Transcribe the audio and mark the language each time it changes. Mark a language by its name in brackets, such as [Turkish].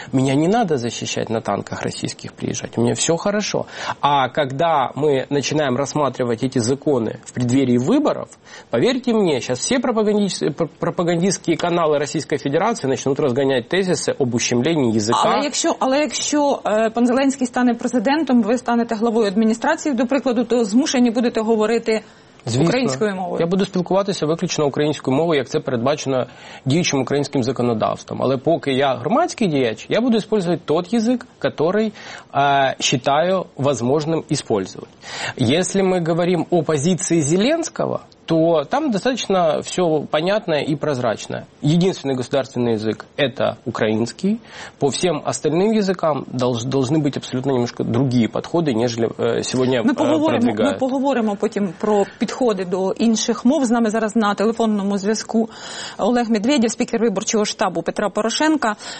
[Russian] Меня не надо защищать на танках российских приезжать. У меня все хорошо. А когда мы начинаем рассматривать эти законы в преддверии выборов, поверьте мне, сейчас все пропагандистские каналы Российской Федерации начнут разгонять тезисы об ущемлении языка. [Ukrainian] Але якщо пан Зеленський стане президентом, ви станете главою адміністрації, до прикладу, то змушені будете говорити українською мовою. Я буду спілкуватися виключно українською мовою, як це передбачено діючим українським законодавством. Але поки я громадський діяч, я буду використовувати той язик, який вважаю можливим використовувати. Якщо ми говоримо о позиції Зеленського, [Russian] то там достаточно все понятное и прозрачное. Единственный государственный язык – это украинский. По всем остальным языкам должны быть абсолютно немножко другие подходы, нежели сегодня продвигают. [Ukrainian] Ми поговоримо потім про підходи до інших мов. З нами зараз на телефонному зв'язку Олег Медведєв, спікер виборчого штабу Петра Порошенка.